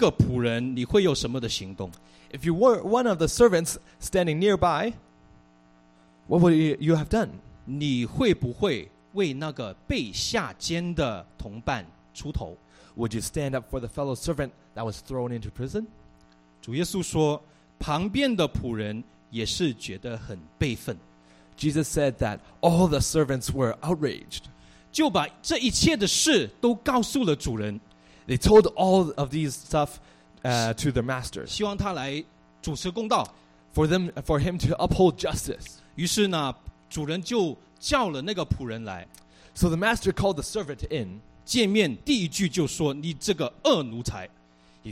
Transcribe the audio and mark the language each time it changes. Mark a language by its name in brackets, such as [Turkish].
[Chinese] 如果你是旁观的一个仆人，你会有什么的行动？ [English] If you were one of the servants standing nearby, what would you have done? [Chinese] 你会不会为那个被下监的同伴出头？ [English] Would you stand up for the fellow servant that was thrown into prison? [Chinese] 主耶稣说，旁边的仆人也是觉得很悲愤。 [English] Jesus said that all the servants were outraged. [Chinese] 就把这一切的事都告诉了主人。 [English] They told all of these stuff to their masters. [Chinese] 希望他来主持公道。 [English] For him to uphold justice. [Chinese] 于是呢，主人就叫了那个仆人来。 [English] So the master called the servant in. [Chinese] 见面第一句就说你这个恶奴才。 [English] He